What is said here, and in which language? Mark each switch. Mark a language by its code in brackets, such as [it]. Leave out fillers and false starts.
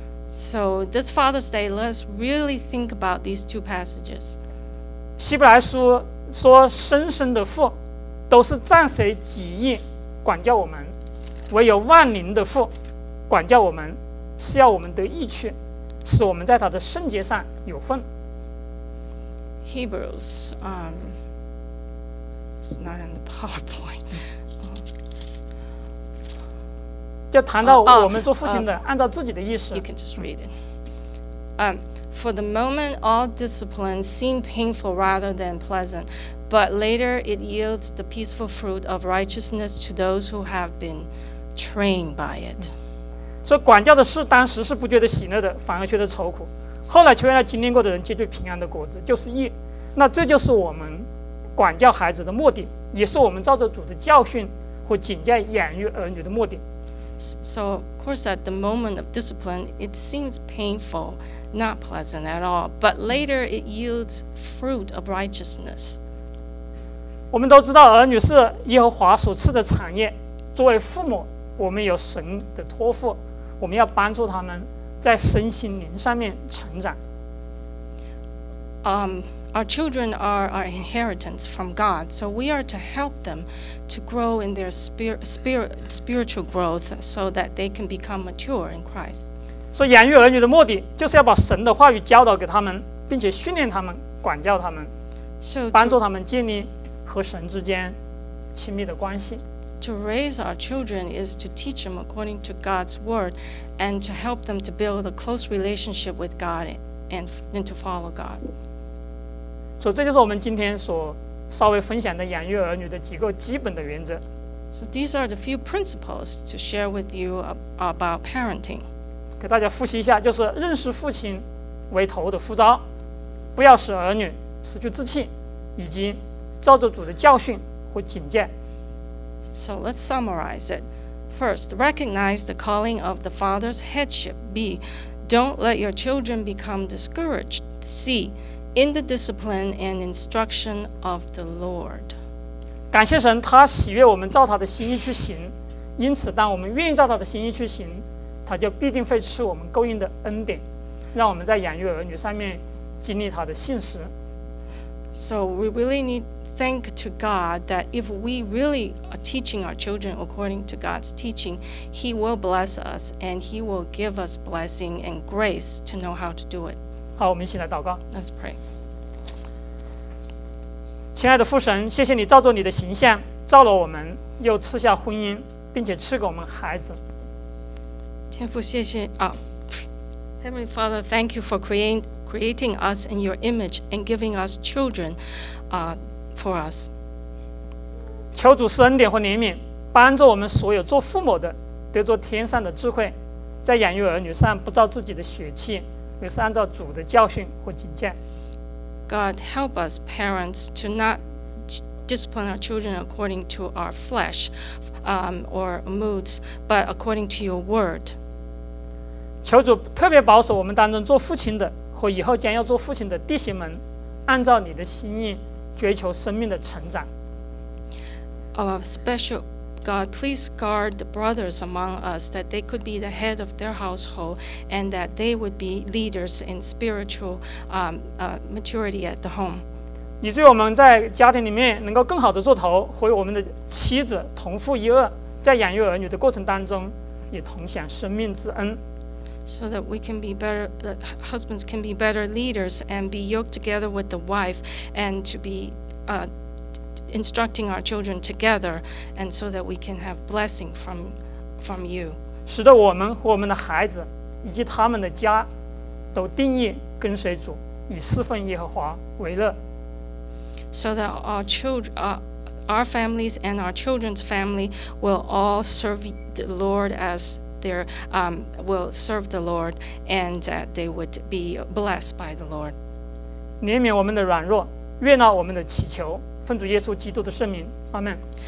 [en] So this Father's Day, let's really think about these two passages. [zh] 希伯来书说，深深的父都是暂随己意管教我们，唯有万灵的父管教我们是要我们得益处，使我们在他的圣洁上有份。 [en] Hebrews, it's not in the PowerPoint. [zh] 就谈到我们做父亲的，按照自己的意思。 [en] You can just read it. For the moment, all discipline seems painful rather than pleasant, but later it yields the peaceful fruit of righteousness to those who have been trained by it. [zh] 所以管教的事当时是不觉得喜乐的，反而觉得愁苦，后来却让经历过的人结出平安的果子，就是义。那这就是我们管教孩子的目的，也是我们照着主的教训和警戒养育儿女的目的。 [en] So of course at the moment of discipline it seems painful, not pleasant at all, but later it yields fruit of righteousness. [zh] 我们都知道儿女是耶和华所赐的产业，作为父母我们有神的托付，我们要帮助他们在身心灵上面成长。 [en] Our children are our inheritance from God, so we are to help them to grow in their spiritual growth so that they can become mature in Christ. [zh] 所以养育儿女的目的就是要把神的话语教导给他们，并且训练他们，管教他们，帮助他们建立和神之间亲密的关系。 [en] To raise our children is to teach them according to God's word and to help them to build a close relationship with God and to follow God. [zh] 所以这就是我们今天所稍微分享的养育儿女的几个基本的原则。 [en] So these are the few principles to share with you about parenting. [zh] 给大家复习一下，就是认识父亲为头的副招，不要使儿女失去志气，以及照着主的教训和警戒。 [en] So let's summarize it. First, recognize the calling of the father's headship. B, don't let your children become discouraged. C, in the discipline and instruction of the Lord. [zh] 感谢神，他喜悦我们照他的心意去行，因此当我们愿意照他的心意去行，他就必定会赐我们够应的恩典，让我们在养育儿女上面经历他的信实。 [en] So we really need thank to God that if we really are teaching our children according to God's teaching, He will bless us and He will give us blessing and grace to know how to do it. [zh] 好，我们一起来祷告。 [en] Let's pray. [zh] 亲爱的父神，谢谢你照着你的形象造了我们，又赐下婚姻，并且赐给我们孩子。天父，谢谢啊。 [en] Heavenly Father, thank you for creating us in Your image and giving us children. For us. [zh] 求主赐恩典和怜悯，帮助我们所有做父母的得着天上的智慧，在养育儿女上不照自己的血气，而是按照主的教训和警戒。 [en] God help us parents to not discipline our children according to our flesh, or moods, but according to Your word. [zh] 求主特别保守我们当中做父亲的和以后将要做父亲的弟兄们，按照你的心意追求生命的成长。 [en] Special God, please guard the brothers among us that they could be the head of their household and that they would be leaders in spiritual maturity at the home. [zh] 以至于我们在家庭里面能够更好的做头，和我们的妻子同父一轭，在养育儿女的过程当中也同享生命之恩。 [en] So that we can be better, that husbands can be better leaders and be yoked together with the wife and to be instructing our children together and so that we can have blessing from you. [zh] 使得我们和我们的孩子以及他们的家都定义跟随主，以侍奉耶和华为乐。 [en] So that our children, our families and our children's family will all serve the Lord as their, will serve the Lord and that they would be blessed by the Lord. [zh] 怜悯我们的软弱，悦纳我们的祈求，奉主耶稣基督的圣名，阿们。